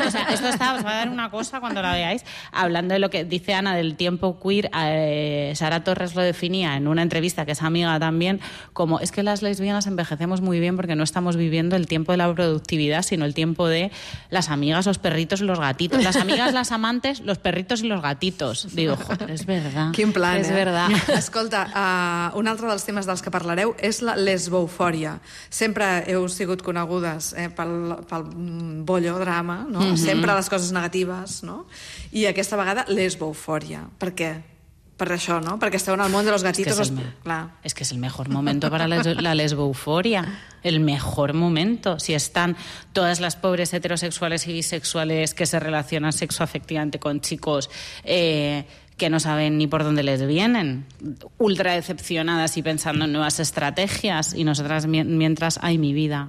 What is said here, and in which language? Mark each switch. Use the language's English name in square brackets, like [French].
[Spanish] O sea, esto está, os va a dar una cosa cuando la veáis. Hablando de lo que dice Ana del tiempo queer, Sara Torres lo definía en una entrevista, que es amiga también, como es que las lesbianas envejecemos muy bien porque no estamos viviendo el tiempo de la productividad, sino el tiempo de las amigas, los perritos y los gatitos. Las amigas, las amantes, los perritos y los gatitos. Digo, joder, es verdad. [Catalan] Quin plan, [Spanish] es verdad. [Catalan] Escolta, un altre dels temes dels que parlareu és la lesbofòria. Sempre heu sigut conegudes pel bollo drama, no? Sempre les coses negatives, no? I aquesta vegada lesbofòria. Per què? Per això, no? Perquè esteu en el món de [Spanish] los gatitos. [Catalan] És que és [Spanish] el mejor momento para la lesbofòria. El mejor momento. Si están todas las pobres heterosexuales y bisexuales que se relacionan sexoafectivamente con chicos que no saben ni por dónde les vienen, ultra decepcionadas y pensando en nuevas estrategias, y nosotras mientras, ay, mi vida.